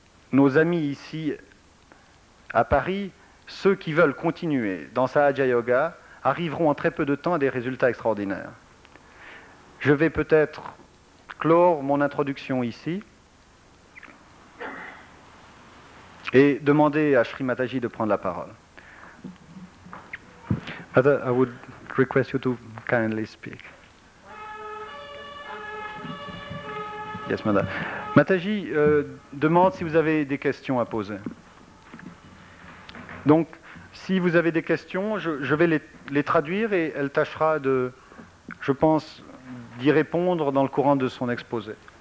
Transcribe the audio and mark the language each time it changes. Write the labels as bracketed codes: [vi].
[fr] nos amis ici à Paris, ceux qui veulent continuer dans sa Hatha Yoga arriveront en très peu de temps à des résultats extraordinaires. Je vais peut-être clore mon introduction ici et demander à Sri Mataji de prendre la parole. [en] Mother, I would request you to kindly speak. Yes, Mother. [fr] Mataji demande si vous avez des questions à poser. Donc, si vous avez des questions, je vais les traduire et elle tâchera de, je pense, d'y répondre dans le courant de son exposé.